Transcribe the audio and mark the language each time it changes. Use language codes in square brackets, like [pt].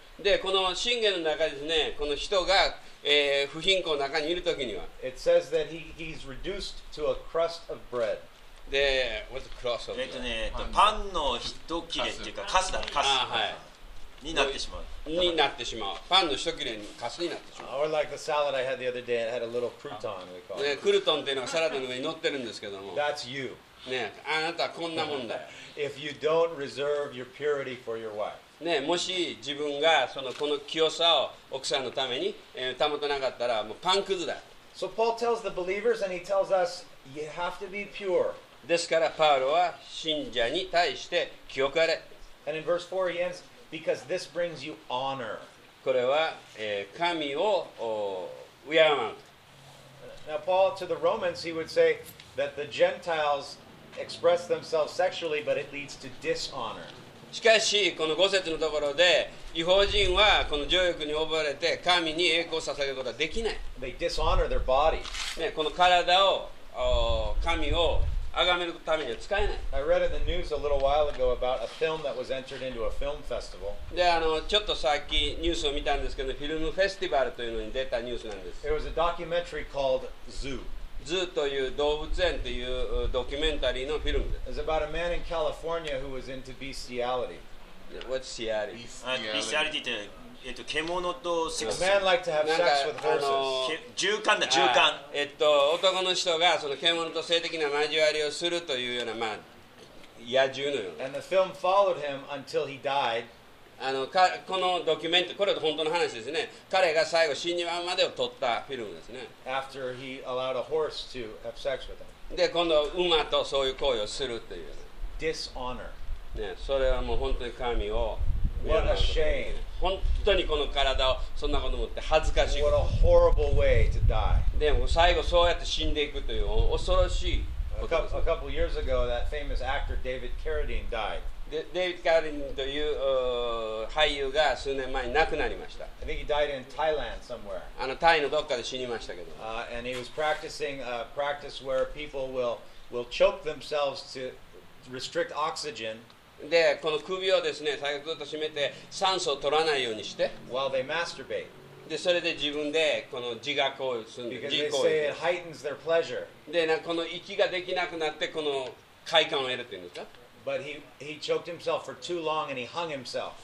[ja] でこの箴言の中ですね、この人が、不貧困の中にいるときには、 [en] It says that he's reduced to a crust of bread. で、what's a crust of bread? [ja] パンの一切れっていうかカスだ、カス。はい。になってしまう。になってしまう。パンの一切れにカスになってしまう。 [en] Or like the salad I had the other day, it had a little crouton, we call it. [ja] ね、クルトンっていうのがサラダの上に乗ってるんですけども。 [en] That's you. [ja] ね、あなたはこんなもんだよ。 [en] If you don't reserve your purity for your wife. [ja] ね、もし自分がそのこの清さを奥さんのために保たなかったら、もうパンくずだ。 [en] So Paul tells the believers and he tells us, you have to be pure. [ja] ですからパウロは信者に対して清くあれ。 [en] And in verse 4 he ends,Because this brings you honor. [ja] これは、神を敬う。 [en] Now Paul to the Romans, he would say that the Gentiles express themselves sexually, but it leads to dishonor. [ja] しかしこの5節のところで、異邦人はこの情欲に溺れて神に栄光を捧げることはできない。 [en] They dishonor their body. [ja] ね、この体を神を崇めるためには使えない。 [en] I read in the news a little while ago about a film that was entered into a film festival. [ja] で、あのちょっとさっきニュースを見たんですけど、フィルムフェスティバルというのに出たニュースなんです。 [en] It was a documentary called Zoo. [ja] Zoo という動物園というドキュメンタリーのフィルムです。 [en] It's about a man in California who was into bestiality. What's bestiality? [ja] Bestiality って獣とセックス。 [en] A man liked to have sex with horses. [ja] 獣艦だ、獣艦。男の人がその獣と性的な交わりをするというような、まあ、野獣のような。 [en] And the film followed him until he died. [ja] このドキュメント、これは本当の話ですね。彼が最後死に場までを撮ったフィルムですね。 [en] After he allowed a horse to have sex with him. [ja] で、今度馬とそういう行為をするという。 [en] Dishonor. [ja] ね、それはもう本当に神を [en] What a shame. [ja] 本当にこの体をそんなこと思って恥ずかしい。 [en] What a horrible way to die. [ja] でも最後そうやって死んでいくという恐ろしいことです。 [en] A couple years ago, that famous actor David Carradine died. [ja] David Carradine という俳優が数年前に亡くなりました。 [en] I think he died in Thailand somewhere. [ja] あのタイのどっかで死にましたけど。 [en] And he was practicing a practice where people will choke themselves to restrict oxygen. [ja] で、この首をですね、最後ずっと締めて酸素を取らないようにして [en] While they masturbate. [ja] で、それで自分でこの自我行為するんで、 [en] Because they [ja] 自我行為 [en] say it heightens their pleasure. [ja] で、なんかこの息ができなくなってこの快感を得るというんですか [en] But he choked himself for too long and he hung himself.